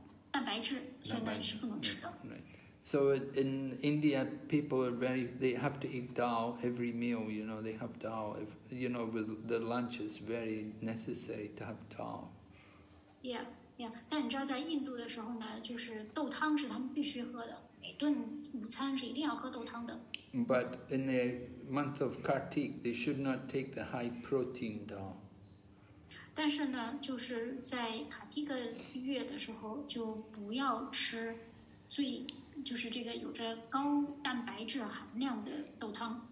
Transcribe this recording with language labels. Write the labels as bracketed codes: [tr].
[zh] 蛋白质，所以呢是不能吃的。 [en] So in India, people are they have to eat dal every meal. You know, they have dal. With the lunch is very necessary to have dal. Yeah. [zh] 但你知道，在印度的时候呢，就是豆汤是他们必须喝的，每顿午餐是一定要喝豆汤的。 [en] But in the month of Kartik, they should not take the high protein dal. [zh] 但是呢，就是在卡蒂克月的时候，就不要吃最就是这个有着高蛋白质含量的豆汤。